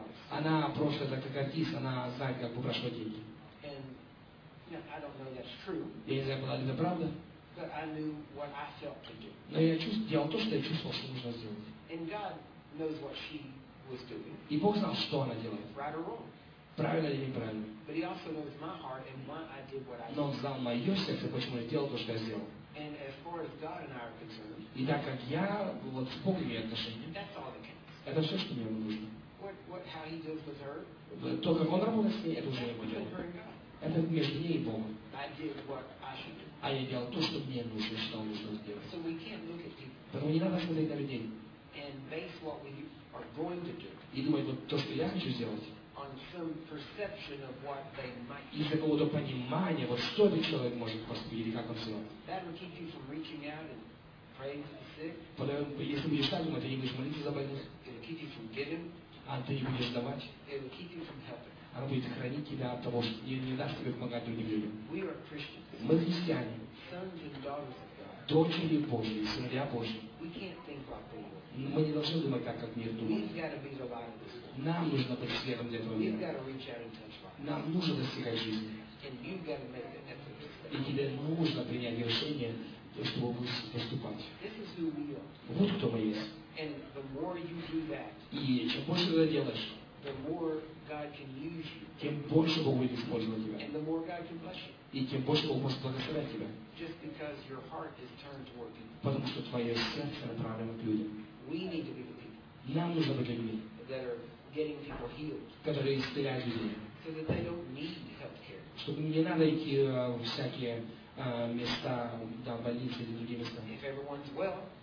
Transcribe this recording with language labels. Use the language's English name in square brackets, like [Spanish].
[Russian] Она просто как артист, она знает, как выпрашивать деньги. Я не знаю, была ли это правда. [English] But I knew what I felt to do. [Russian] Но я делал то, что я чувствовал, что нужно сделать. [English] And God knows what she was doing. [Russian] И Бог знал, что она делает. [English] Right or wrong. [Russian] Правильно или неправильно. [English] But he also knows my heart and why I did what I did. [Russian] Но он знал мое сердце, почему я делал то, что я сделал. [English] And as far as God and I are concerned. [Russian] И так как я вот с Богом имею отношения. [English] That's all that counts. [Russian] Это все, что мне нужно. [English] What how he deals with her. [Russian] То, как он работает с ней, это уже его дело. Это между ней и Богом. [English] I did what I should do. [Russian] А я делал то, что мне нужно, что нужно сделать. [English] So we can't look at people. [Russian] Поэтому не надо смотреть на людей. [English] And base what we are going to do. [Russian] И думать вот то, что я хочу сделать. [English] On some perception of what they might. [Russian] Из-за какого-то понимания, вот что этот человек может поступить или как он сделает. [English] That will keep you from reaching out and praying for the sick. [Russian] Потому если будешь так думать, ты не будешь молиться за больных. [English] It will keep you from giving. [Russian] А ты не будешь давать. [English] It will keep you from helping. [Russian] Оно будет хранить тебя от того, что не даст тебе помогать другим людям. [English] We are Christians. [Russian] Мы христиане. [English] Sons and daughters of God. [Russian] Дочери Божьи, сыновья Божьи. [English] We can't think like the world. [Russian] Мы не должны думать так, как мир думает. [English] We've got to be the light of this world. [Russian] Нам нужно быть светом для этого мира. [English] We've got to reach out and touch lives. [Russian] Нам нужно достигать жизни. [English] And you've got to make an effort to stay. [Russian] И тебе нужно принять решение, чтобы поступать. [English] This is who we are. [Russian] Вот кто мы есть. [English] And the more you do that, [Russian] и чем больше ты это делаешь, [English] the more God can use you. [Russian] Тем больше Бог будет использовать тебя. [English] And the more God can bless you. [Russian] И тем больше Бог может благословлять тебя. [English] Just because your heart is turned toward people. [Russian] Потому что твое сердце направлено к людям. [English] We need to be the people. [Russian] Нам нужно быть людьми. [English] That are getting people healed. [Russian] Которые исцеляют людей. [English] So that they don't need healthcare. [Russian] Чтобы не надо идти всякие места, там больницы или другие места. [English] If everyone's well.